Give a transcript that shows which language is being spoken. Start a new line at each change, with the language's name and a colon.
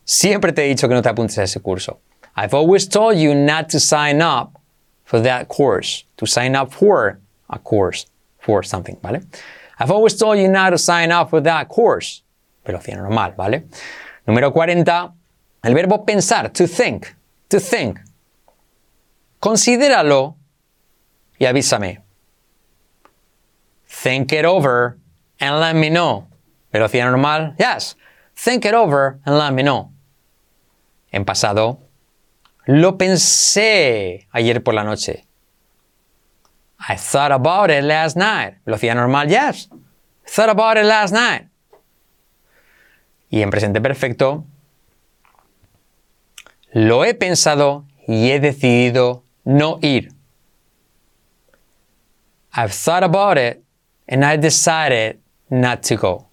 Spanish: Siempre te he dicho que no te apuntes a ese curso.
English: I've always told you not to sign up for that course. To sign up for a course. For something,
Spanish: ¿vale?
English: I've always told you not to sign up for that course.
Spanish: Velocidad normal, ¿vale? Número 40. El verbo pensar.
English: To think. To think.
Spanish: Considéralo y avísame.
English: Think it over and let me know.
Spanish: Velocidad normal.
English: Yes. Think it over and let me know.
Spanish: En pasado, lo pensé ayer por la noche.
English: I thought about it last night.
Spanish: Velocidad normal.
English: Yes. Thought about it last night.
Spanish: Y en presente perfecto, lo he pensado y he decidido no ir.
English: I've thought about it and I decided not to go.